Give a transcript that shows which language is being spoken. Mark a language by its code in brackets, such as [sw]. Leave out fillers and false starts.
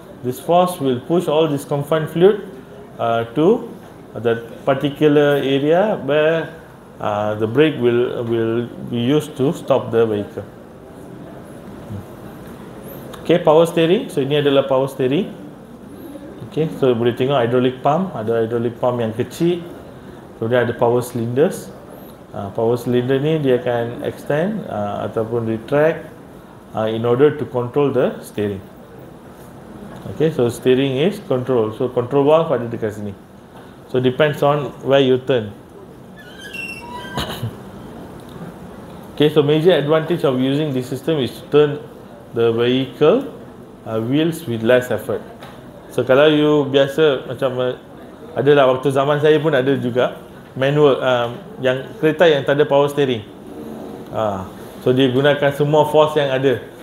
[en] This force will push all this confined fluid to that particular area where the brake will be used to stop the vehicle. Okay, power steering. [ms] So ini adalah power steering. Okay, so boleh tengok hydraulic pump. Ada hydraulic pump yang kecil. Kemudian ada power cylinders. Power cylinder ni dia akan extend ataupun retract [en] in order to control the steering. Okay, so steering is control. So control valve [ms] ada dekat sini. [en] So depends on where you turn. Okay, so major advantage of using this system is to turn the vehicle wheels with less effort. [ms] So kalau you biasa macam adalah waktu zaman saya pun ada juga manual yang kereta yang tak ada power steering. So dia gunakan semua force yang ada.